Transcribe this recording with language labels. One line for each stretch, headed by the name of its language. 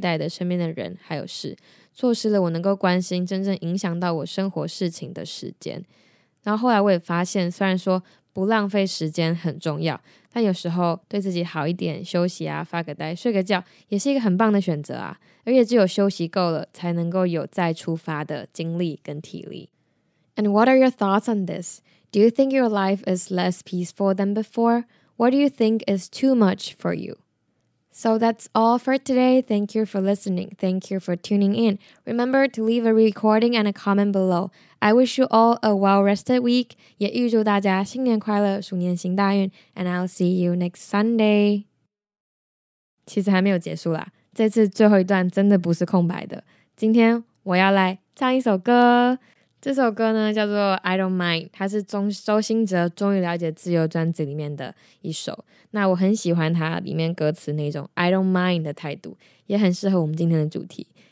Chinese: 我最近有一个很重大的领悟，就是人的关心真的是有限的。我常常太想要去知道每件事、每个人的生活、世界每个角落发生的事情、每个议题，但反而错失了我最该认真对待的身边的人还有事。错失了我能够关心真正影响到我生活事情的时间。然后后来我也发现，虽然说不浪费时间很重要，但有时候对自己好一点，休息啊，发个呆，睡个觉，也是一个很棒的选择啊。而且只有休息够了，才能够有再出发的精力跟体力。
English: And what are your thoughts on this? Do you think your life is less peaceful than before? What do you think is too much for you? So that's all for today. Thank you for listening. Thank you for tuning in. Remember to leave a recording and a comment below. I wish you all a well-rested week.
Chinese: 也预祝大家新年快乐,鼠年行大运,
English: and I'll see you next Sunday.
Chinese: 其实还没有结束啦, 这次最后一段真的不是空白的。今天我要来唱一首歌。这首歌呢, 叫做 I Don't Mind, 它是周兴哲终于了解自由专辑里面的一首, 那我很喜欢它里面歌词那种 I Don't Mind 的态度, 也很适合我们今天的主题。